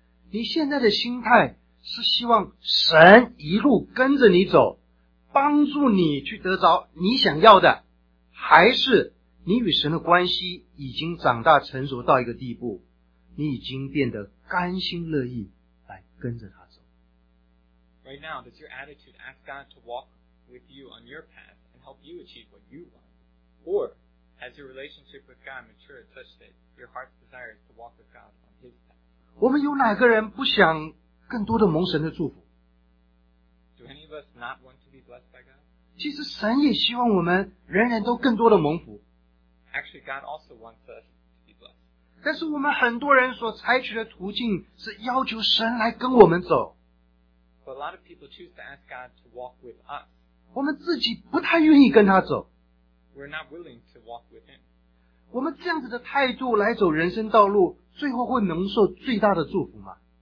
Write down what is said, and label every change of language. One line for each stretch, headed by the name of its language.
Chinese: 你现在的心态是希望神一路跟着你走，帮助你去得着你想要的，还是你与神的关系已经长大成熟到一个地步，你已经变得甘心乐意来跟着他走。
English: Right now, does your attitude ask God to walk with you on your path and help you achieve what you want? Or has your relationship with God matured such that your heart's desire is to walk with God on his path?
Chinese: 我们有哪个人不想更多的蒙神的祝福？
English: Do any of us not want to be blessed by God?
Chinese: 其实神也希望我们人人都更多的蒙福。
English: Actually, God also wants us to be blessed.
Chinese: 但是我们很多人所采取的途径是要求神来跟我们走。
English: But a lot of people choose to ask God to walk with us.
Chinese: 我们自己不太愿意跟他走。
English: We're not willing to walk with him.
Chinese: 我们这样子的态度来走人生道路，最后会蒙受最大的祝福吗？